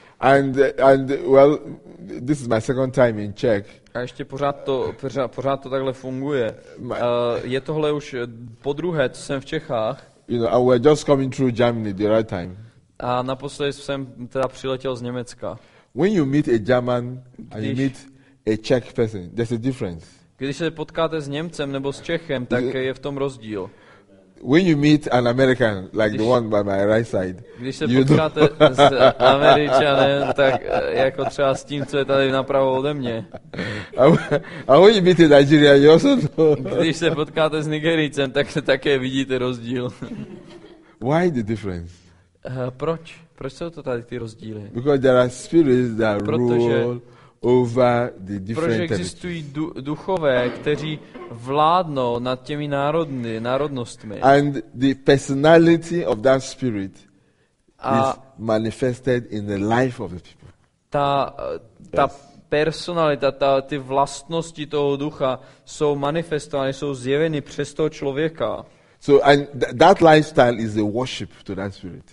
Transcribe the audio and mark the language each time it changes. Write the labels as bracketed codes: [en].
[en] And well, this is my second time in Czech. [cs] A ještě pořád to takhle funguje. Je tohle už podruhé, co jsem v Čechách. [en] You know, and we're just coming through Germany the right time. [cs] A naposledy jsem teda přiletěl z Německa. [en] When you meet a German and you meet a Czech person, there's a difference. [cs] Když se potkáte s Němcem nebo s Čechem, tak je v tom rozdíl. [en] When you meet an American, like the one by my right side. [cs] Když se potkáte s Američanem, tak jako třeba s tím, co je tady napravo ode mě. [en] And when you meet a Nigerian, you also know. [cs] Když se potkáte s Nigericem, tak také vidíte rozdíl. [en] Why the difference? [cs] Proč? Proč jsou to tady ty rozdíly? [en] Because there are spirits that rule over the different. [cs] Protože existují duchové, kteří vládnou nad těmi národnostmi. [en] And the personality of that spirit is manifested in the life of the people. [cs] Ta personalita, ty vlastnosti toho ducha jsou manifestovány, jsou zjeveny přes toho člověka. [en] So and that lifestyle is a worship to that spirit.